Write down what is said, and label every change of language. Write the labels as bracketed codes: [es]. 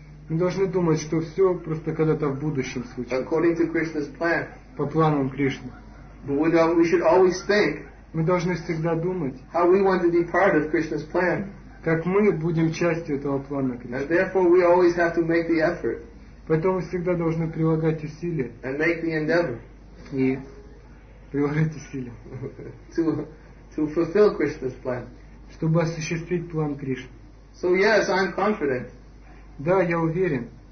[ru] Мы должны думать, что все просто когда-то в будущем случится. [en] According to Krishna's plan. [ru] По планам Кришны. [en] But we should always think. [ru] Мы должны всегда думать. [en] How we want to be part of Krishna's plan. [ru] Как мы будем частью этого плана Кришны. [en] And therefore we always have to make the effort. [ru] Поэтому мы всегда должны прилагать усилия. [en] And make the endeavor. [ru] И прилагать усилия. [en] To fulfill Krishna's plan. [ru] Чтобы осуществить план Кришны. [en] So yes, I'm confident. [ru] Да, я уверен.